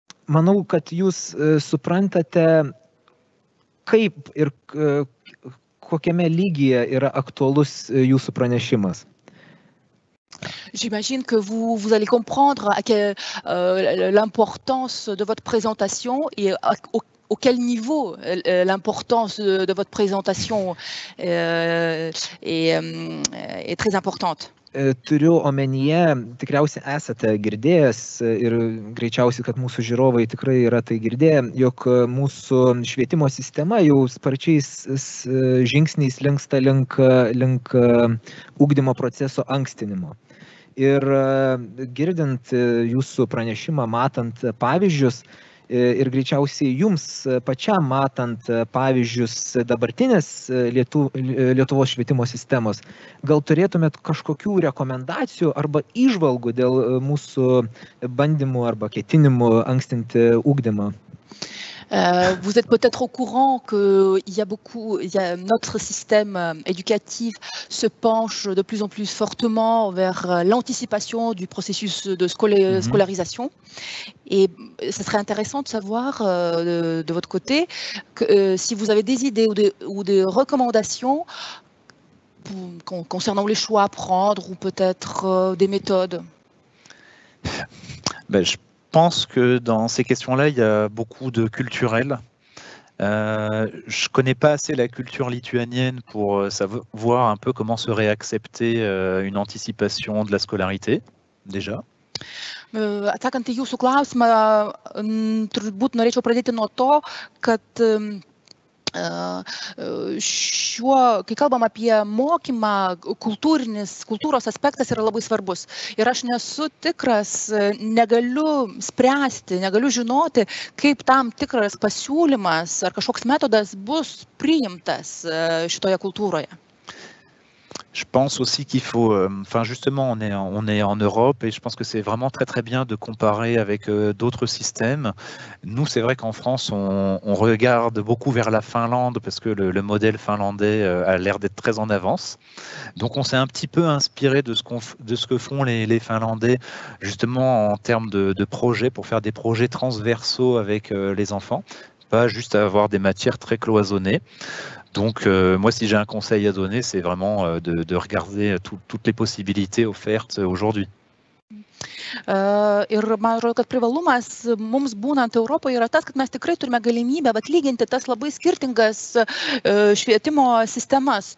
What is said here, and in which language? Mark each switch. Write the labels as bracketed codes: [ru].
[lt] Manau, kad jūs suprantate, kaip ir kokiame lygyje yra aktualus jūsų pranešimas. [fr] J'imagine que vous allez comprendre l'importance de votre présentation et au quel niveau l'importance de votre présentation est très importante. [lt] Turiu omenyje, tikriausiai esate girdėjęs ir greičiausiai, kad mūsų žiūrovai tikrai yra tai girdėję, jog mūsų švietimo sistema jau sparčiais žingsniais linksta link ugdymo proceso ankstinimo. Ir girdint jūsų pranešimą, matant pavyzdžius, ir greičiausiai jums pačiam matant pavyzdžius dabartinės Lietuvos švietimo sistemos, gal turėtumėt kažkokių rekomendacijų arba įžvalgų dėl mūsų bandymų arba ketinimų ankstinti ugdymą? [fr] Vous êtes peut-être au courant que notre système éducatif se penche de plus en plus fortement vers l'anticipation du processus de scolarisation. Et ça serait intéressant de savoir de votre côté que, si vous avez des idées ou des recommandations concernant les choix à prendre ou peut-être des méthodes. Ben, je pense que dans ces questions-là, il y a beaucoup de culturel. Je ne connais pas assez la culture lituanienne pour savoir un peu comment se réaccepter une anticipation de la scolarité, déjà. [lt] Atsakant į jūsų klausimą, turbūt norėčiau pradėti nuo to, kad kai kalbam apie mokymą, kultūros aspektas yra labai svarbus. Ir aš nesu tikras, negaliu spręsti, negaliu žinoti, kaip tam tikras pasiūlymas ar kažkoks metodas bus priimtas šitoje kultūroje. [fr] Je pense aussi qu'il faut, enfin justement, on est en Europe et je pense que c'est vraiment très très bien de comparer avec d'autres systèmes. Nous, c'est vrai qu'en France, on regarde beaucoup vers la Finlande parce que le modèle finlandais a l'air d'être très en avance. Donc on s'est un petit peu inspiré de ce que font les Finlandais justement en termes de projets, pour faire des projets transversaux avec les enfants, pas juste avoir des matières très cloisonnées. Donc, moi, si j'ai un conseil à donner, c'est vraiment de regarder toutes les possibilités offertes aujourd'hui. [lt] Ir man atrodo, kad privalumas mums būnant Europoje yra tas, kad mes tikrai turime galimybę atlyginti tas labai skirtingas švietimo sistemas.